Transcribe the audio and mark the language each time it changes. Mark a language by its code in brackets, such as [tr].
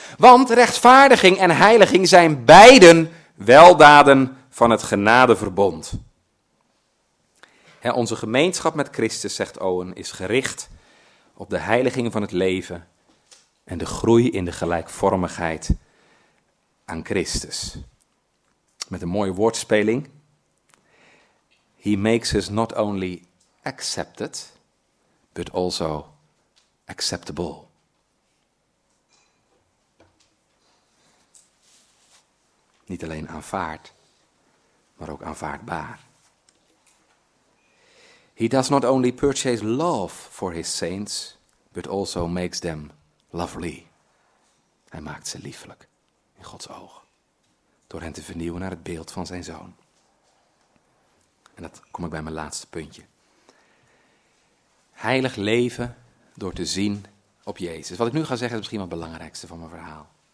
[nl] Want rechtvaardiging en heiliging zijn beiden weldaden van het genadeverbond. Onze gemeenschap met Christus, zegt Owen, is gericht op de heiliging van het leven en de groei in de gelijkvormigheid aan Christus. Met een mooie woordspeling. [en] He makes us not only accepted, but also acceptable. [nl] Niet alleen aanvaard, maar ook aanvaardbaar. [en] He does not only purchase love for his saints, but also makes them lovely. [nl] Hij maakt ze liefelijk in Gods oog, door hen te vernieuwen naar het beeld van zijn zoon. En dat kom ik bij mijn laatste puntje. Heilig leven door te zien op Jezus. Wat ik nu ga zeggen is misschien wel het belangrijkste van mijn verhaal.